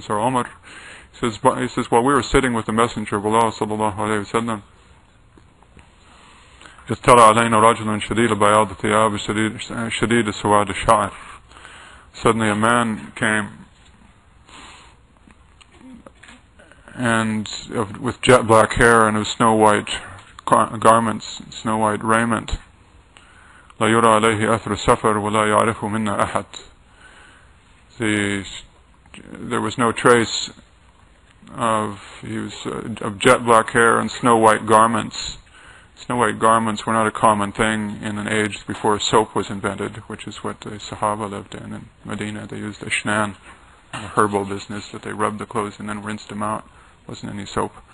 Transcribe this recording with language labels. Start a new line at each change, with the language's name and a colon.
English: So Umar says, while we were sitting with the Messenger of Allah, sallallahu alayhi wa sallam,
Arabic: اِتَّلَ عَلَيْنَا رَجُلٌ شَدِيدَ بَيَاضَ ثِيَابِ شَدِيدَ سُوَادَ شَعْرِ.
English: Suddenly a man came, and with jet black hair and with snow white garments, snow white raiment.
Arabic: لا يرى عليه أثر السفر ولا يعرفه منا أحد.
English: There was no trace of, he was of jet black hair and snow white garments. Snow white garments were not a common thing in an age before soap was invented, which is what the Sahaba lived in Medina. They used ashnan, a herbal business that they rubbed the clothes and then rinsed them out. wasn't any soap.